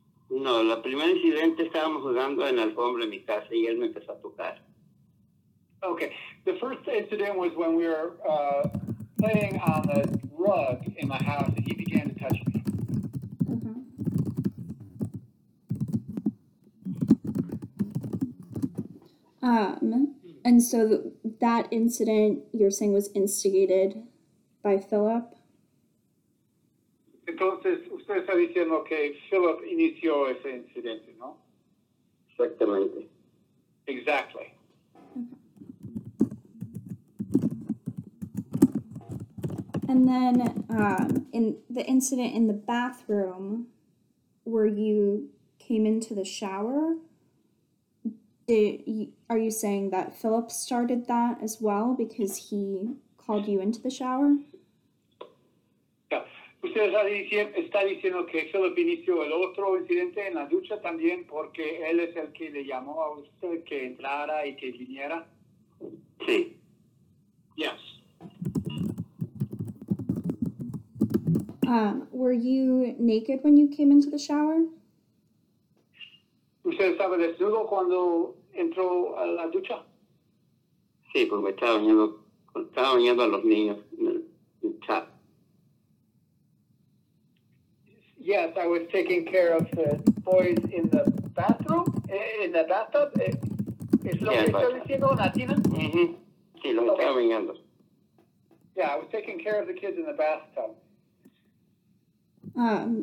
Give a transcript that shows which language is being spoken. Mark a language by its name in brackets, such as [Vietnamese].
[Spanish] No, la primer incidente estábamos jugando en la alfombra en mi casa y él me empezó a tocar. [English] Okay, the first incident was when we were playing on the rug in my house and he began to touch me. Okay. And so that incident you're saying was instigated by Philip? [Spanish] Entonces, usted está diciendo que Philip inició ese incidente, ¿no? Exactamente. [English] Exactly. Okay. And then in the incident in the bathroom where you came into the shower, are you saying that Philip started that as well because he called you into the shower? [Spanish] Usted está diciendo que Philip inició el otro incidente en la ducha también porque él es el que le llamó a usted que entrara y que viniera. Sí. [English] Yes. Were you naked when you came into the shower? [Spanish] ¿Usted estaba desnudo cuando entró a la ducha? Sí, porque estaba bañando a los niños en el chat. [English] Yes, I was taking care of the boys in the bathroom, in the bathtub. [Spanish] ¿Es lo que estoy diciendo, Latina? Sí, lo estaba bañando. [English] Yeah, I was taking care of the kids in the bathtub.